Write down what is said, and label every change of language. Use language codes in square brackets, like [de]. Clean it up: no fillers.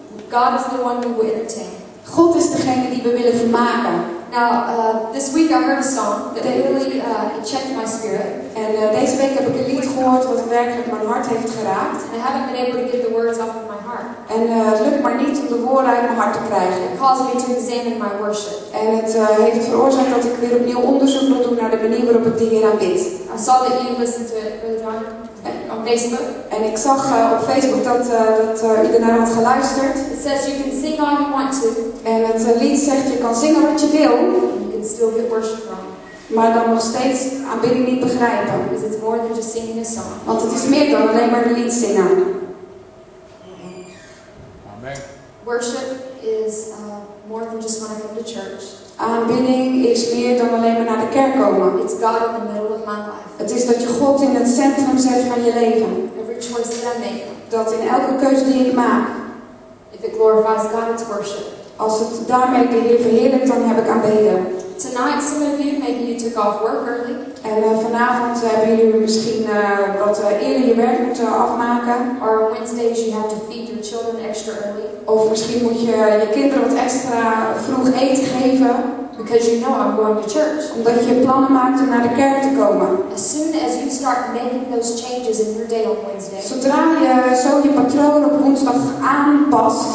[en] God is the one we will entertain. [nl] God is degene die we willen vermaken. [en] Now, this week I heard a song that really it checked my spirit. [nl] En deze week heb ik een lied gehoord wat werkelijk mijn hart heeft geraakt. [en] And I haven't been able to get the words off of my heart. [nl] En het lukt maar niet om de woorden uit mijn hart te krijgen. [en] It caused me to examine my worship. [nl] En het heeft veroorzaakt dat ik weer opnieuw onderzoek moet doen naar de manier waarop ik de Heer aanbid. [en] I saw that you listened to it really hard. On Facebook. [nl] En ik zag op Facebook dat u ernaar had geluisterd. [en] It says you can sing all you want to. [nl] En het lied zegt je kan zingen wat je wil. [en] You can still get worship from. [nl] Maar dan nog steeds aanbidding niet begrijpen. [en] Because it's more than just singing a song. [nl] Want het is meer dan alleen maar een lied zingen. [en] Amen. Worship is more than just when I come to church. [nl] Aanbidding is meer dan alleen maar naar de kerk komen. [en] It's God in the middle of my life. [nl] Het is dat je God in het centrum zet van je leven. [en] Every choice that I make. [nl] Dat in elke keuze die ik maak. [en] If it glorifies God, it's worship. [nl] Als het daarmee de Heer verheerlijkt, dan heb ik aanbeden. [en] Tonight, some of you, maybe you took off work early. [nl] En vanavond hebben jullie misschien wat eerder je werk moeten afmaken. [en] Or on Wednesdays you have to feed your children extra early. [nl] Of misschien moet je je kinderen wat extra vroeg eten geven. [en] Because you know I'm going to church. [nl] Omdat je plannen maakt om naar de kerk te komen. [en] As soon as you start making those changes in your day on Wednesday. [nl] Zodra je zo je patroon op woensdag aanpast.